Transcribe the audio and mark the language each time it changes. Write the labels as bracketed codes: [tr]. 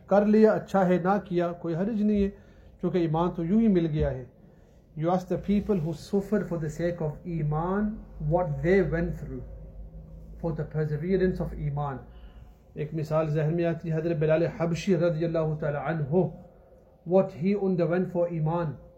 [ur] کر لیا اچھا ہے نہ کیا کوئی حرج نہیں ہے کیونکہ ایمان تو یوں ہی مل گیا ہے. [en] You ask the people who suffer for the sake of ایمان what they went through for the preservation of ایمان. [ur] ایک مثال ذہن میں آتی ہے حضرت بلال حبشی رضی اللہ تعالی عنہ [en] What he in the went for ایمان.